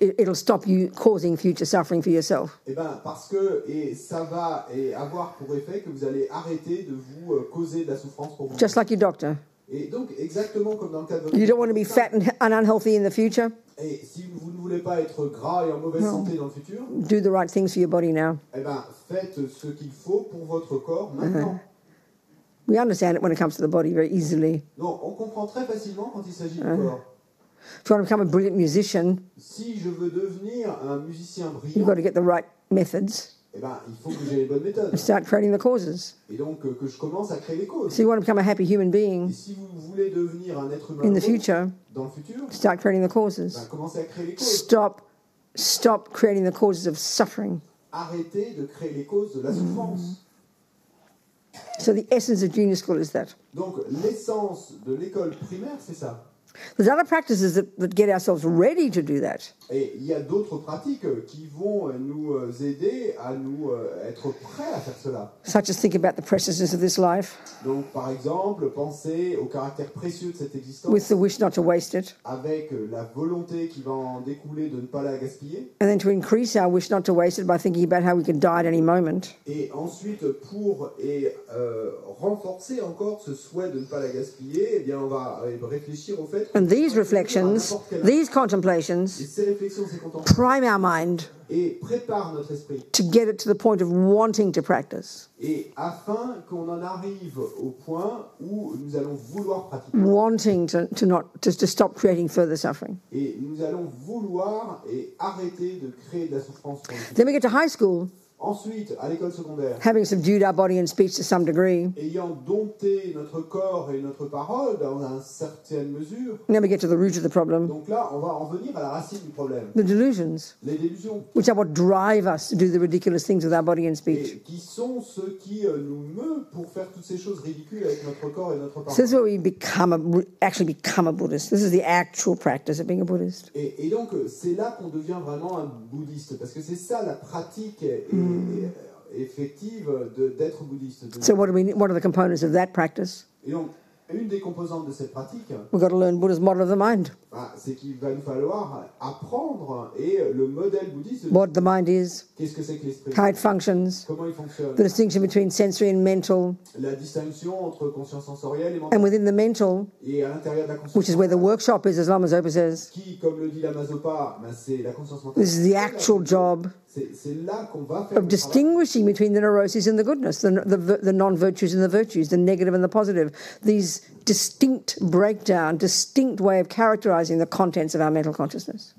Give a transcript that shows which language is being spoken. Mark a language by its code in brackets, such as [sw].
[en] It'll stop you causing future suffering for yourself. [fr] Eh ben, parce que et ça va et avoir pour effet que vous allez arrêter de vous causer de la souffrance pour vous. [en] Just like your doctor. [fr] Et donc exactement comme dans le cas de. [en] You don't want to be fat and unhealthy in the future. [fr] Et si vous ne voulez pas être gras et en mauvaise santé dans le futur. [en] Do the right things for your body now. [fr] Eh ben, faites ce qu'il faut pour votre corps maintenant. Uh-huh. [en] We understand it when it comes to the body very easily. [fr] Non, on comprend très facilement quand il s'agit du corps. [en] If you want to become a brilliant musician, [fr] si je veux devenir un musicien brillant, [en] you've got to get the right methods. [fr] Eh ben, il faut que j'ai les bonnes méthodes. [en] And start creating the causes. [fr] Et donc que je commence à créer les causes. [en] So you want to become a happy human being. [fr] Et si vous voulez devenir un être humain [en] in the future, [fr] dans le futur, [en] start creating the causes. [fr] Ben, commencez à créer les causes. [en] Stop creating the causes of suffering. [fr] Arrêtez de créer les causes de la souffrance. [en] So the essence of junior school is that. [fr] Donc l'essence de l'école primaire, c'est ça. [en] There's other practices that get ourselves ready to do that. [fr] Et il y a d'autres pratiques qui vont nous aider à nous être prêts à faire cela. [en] Such as thinking about the preciousness of this life. [fr] Donc par exemple, penser au caractère précieux de cette existence. [en] With the wish not to waste it. [fr] Avec la volonté qui va en découler de ne pas la gaspiller. [en] And then to increase our wish not to waste it by thinking about how we could die at any moment. [fr] Et ensuite pour et renforcer encore ce souhait de ne pas la gaspiller, eh bien on va réfléchir au fait [en] And these reflections, these contemplations, prime our mind to get it to the point of wanting to practice. Wanting to stop creating further suffering. Then we get to high school. [fr] Ensuite, à l'école secondaire, [en] having subdued our body and speech to some degree, [fr] ayant dompté notre corps et notre parole dans une certaine mesure, [en] now we get to the root of the problem. [fr] Donc là, on va en venir à la racine du problème. [en] The delusions, [fr] les délusions, [en] which are what drive us to do the ridiculous things with our body and speech. [fr] Et qui sont ceux qui nous meut pour faire toutes ces choses ridicules avec notre corps et notre parole. [en] This is where we become a Buddhist. This is the actual practice of being a Buddhist. [fr] Et donc, c'est là qu'on devient vraiment un bouddhiste, parce que c'est ça la pratique. D'être bouddhiste. [en] So what are the components of that practice? [fr] Et donc, une des composantes de cette pratique, [en] we've got to learn Buddha's model of the mind. [fr] C'est qu'il va nous falloir apprendre et le modèle bouddhiste, [en] what the mind is, [fr] qu'est-ce que c'est que l'esprit, [en] how it functions, [fr] comment il fonctionne, [en] the distinction between sensory and mental, [fr] la distinction entre conscience sensorielle et mentale, [en] and within the mental, [fr] et à l'intérieur de la conscience, [en] which is where the workshop is, as Lama Zopa says, [fr] qui, comme le dit Lama Zopa, c'est la conscience mentale. [en] This is the actual job. [fr] C'est là qu'on va faire [en] of distinguishing [fr] travail. [en] Between the neuroses and the goodness, the non-virtues and the virtues, the negative and the positive, these distinct breakdown, distinct way of characterizing the contents of our mental consciousness.